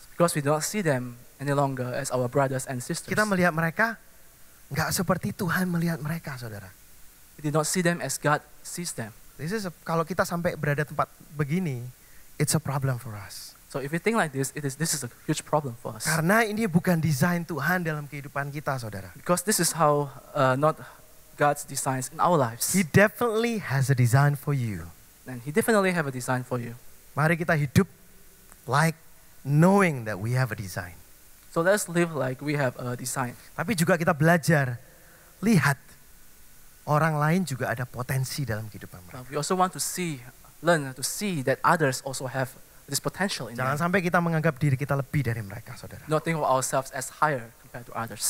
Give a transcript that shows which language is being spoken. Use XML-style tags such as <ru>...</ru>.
<en>Because we don't see them any longer as our brothers and sisters.</en> <id>Kita melihat mereka enggak seperti Tuhan melihat mereka, saudara.</id> <en>We do not see them as God sees them. This is</en> <id>kalau kita sampai berada tempat begini,</id> <en>it's a problem for us. So if you think like this, this is a huge problem for us.</en> <id>Karena ini bukan desain Tuhan dalam kehidupan kita, saudara.</id> <en>Because this is how not God's designs in our lives. He definitely has a design for you. And he definitely have a design for you.</en> <id>Mari kita hidup</id> <en>like knowing that we have a design. So let's live like we have a design.</en> <id>Tapi juga kita belajar lihat orang lain juga ada potensi dalam kehidupan mereka.</id> <en>But we also want to learn to see that others also have this potential in them.</en> <id>Jangan sampai kita menganggap diri kita lebih dari mereka, saudara.</id> <en>Not think of ourselves as higher compared to others.</en>